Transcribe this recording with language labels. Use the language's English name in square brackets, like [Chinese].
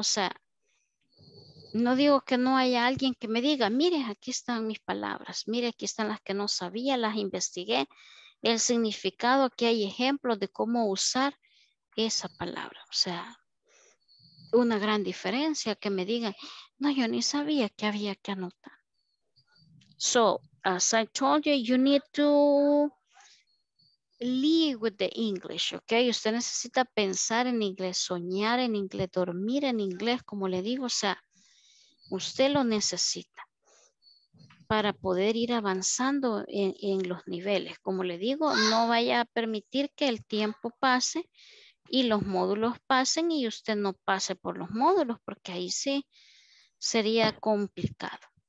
[Spanish] O sea, no digo que no haya alguien que me diga, mire, aquí están mis palabras, mire, aquí están las que no sabía, las investigué. El significado, aquí hay ejemplos de cómo usar esa palabra. O sea, una gran diferencia que me digan, no, yo ni sabía que había que anotar. [English] So, as I told you, you need to live with the English, ok? [Spanish] Usted necesita pensar en inglés, soñar en inglés, dormir en inglés, como le digo. O sea, usted lo necesita para poder ir avanzando en los niveles. Como le digo, no vaya a permitir que el tiempo pase y los módulos pasen y usted no pase por los módulos, porque ahí sí sería complicado.